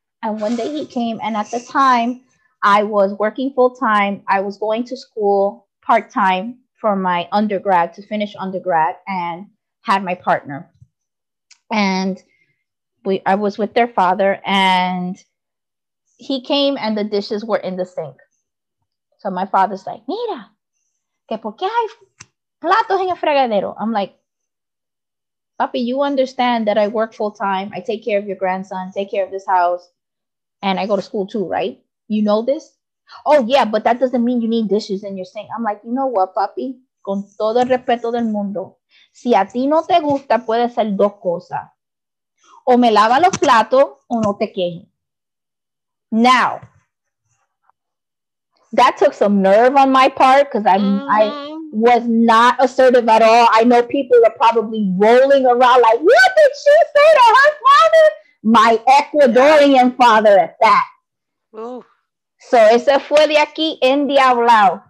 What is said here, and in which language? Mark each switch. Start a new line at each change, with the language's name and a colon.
English: And one day he came, and at the time I was working full time. I was going to school part time for my undergrad, to finish undergrad, and had my partner. And I was with their father, and he came, and the dishes were in the sink. So my father's like,
Spanish: mira, que por qué hay platos en el fregadero?
English: I'm like, papi, you understand that I work full time. I take care of your grandson, take care of this house. And I go to school too, right? You know this? Oh, yeah, but that doesn't mean you need dishes in your sink. I'm like, you know what, papi?
Spanish: Con todo el respeto del mundo. Si a ti no te gusta, puede ser dos cosas. O me lava los platos, o no te quejes.
English: Now, that took some nerve on my part, because I was not assertive at all. I know people are probably rolling around like, what did she say to her father? My Ecuadorian father at that. So
Spanish: ese fue de aquí en diablao.